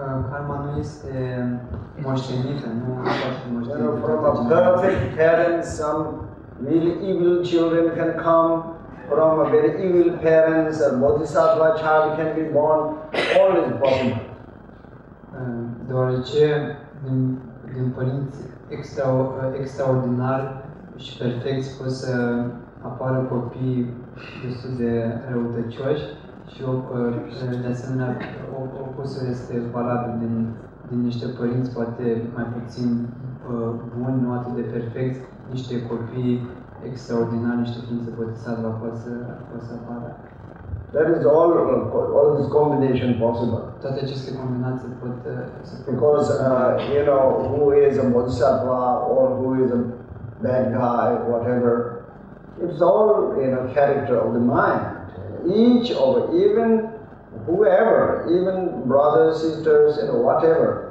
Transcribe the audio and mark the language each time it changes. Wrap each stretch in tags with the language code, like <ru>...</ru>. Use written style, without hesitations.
<ro>Karma nu este moștenită, nu poate moștenită.</ro> <en>From a perfect parent, some really evil children can come. From a very evil parents, a bodhisattva child can be born. All is possible.</en> <ro>Deoarece din părinți extraordinar și perfecți pot să apară copii destul de răutăcioși și de asemenea opusul este valabil din niște părinți poate mai puțin buni, nu atât de perfecți, niște copii extraordinari, niște ființe bodhisattva pot să apară.</ro> <en>That is all this combination possible.</en> <ro>Toate aceste combinații pot să...</ro> <en>Because, you know, who is a bodhisattva or who is a bad guy, whatever, it's all, you know, character of the mind. Each of, even whoever, even brothers, sisters, you know, whatever.</en>